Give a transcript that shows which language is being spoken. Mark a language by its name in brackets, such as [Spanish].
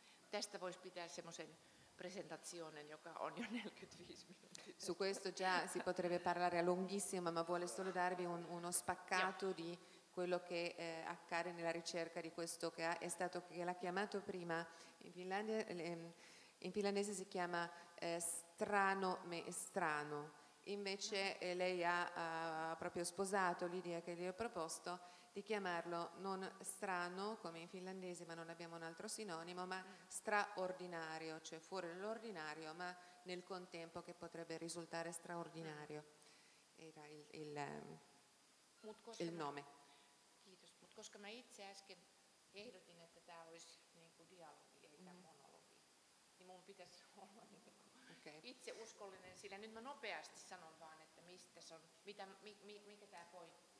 [Finnish] Tästä voisi pitää semmoisen presentazionen, joka on jo 45 minuuttia. [Italian] Su questo già si potrebbe parlare a lunghissimo, ma vuole solo darvi uno spaccato di quello che accade nella ricerca di questo che è stato, che l'ha chiamato prima, in finlandese si chiama strano, invece lei ha proprio sposato l'idea che gli ho proposto di chiamarlo non strano, come in finlandese, ma non abbiamo un altro sinonimo, ma straordinario, cioè fuori dall'ordinario, ma nel contempo che potrebbe risultare straordinario. Era il nome. [Finnish] Kiitos. Mut koska mä itse äsken ehdotin, että tää olisi niinku dialogi eikä monologi, niin mun pitäisi olla itse uskollinen, sillä nyt mä nopeasti sanon vaan, että mistä se on, mikä tää voi.